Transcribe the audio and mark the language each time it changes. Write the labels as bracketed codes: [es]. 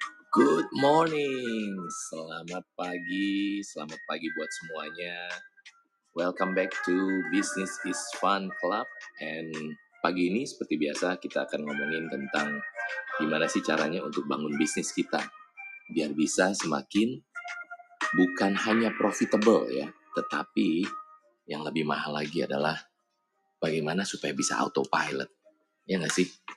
[en] Good morning, [id] selamat pagi buat semuanya. [en] Welcome back to Business is Fun Club. [id] And pagi ini seperti biasa kita akan ngomongin tentang gimana sih caranya untuk bangun bisnis kita biar bisa semakin bukan hanya profitable ya, tetapi yang lebih mahal lagi adalah bagaimana supaya bisa autopilot, ya nggak sih?